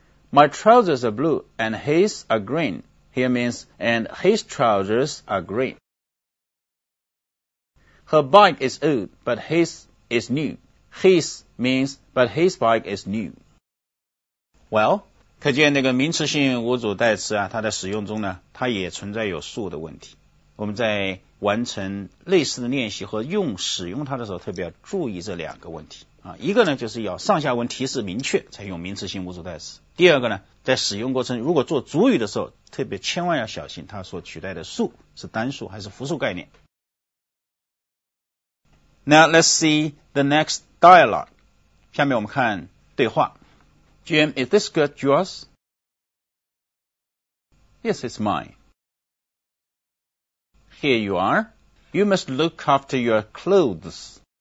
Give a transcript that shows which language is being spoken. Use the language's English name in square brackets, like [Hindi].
[English] My trousers are blue and his are green. Here means, and his trousers are green. Her bike is old, but his is new. His means, but his bike is new. [Chinese] Well, 可见那个名词性无主代词啊，它的使用中呢，它也存在有数的问题。我们在完成类似的练习和用使用它的时候，特别要注意这两个问题啊。一个呢，就是要上下文提示明确才用名词性无主代词。第二个呢，在使用过程如果做主语的时候，特别千万要小心它所取代的数是单数还是复数概念。 [English] Now let's see the next dialogue. [Chinese] 下面我们看对话。 [English] Jim, is this skirt yours? Yes, it's mine. Here you are. You must look after your clothes.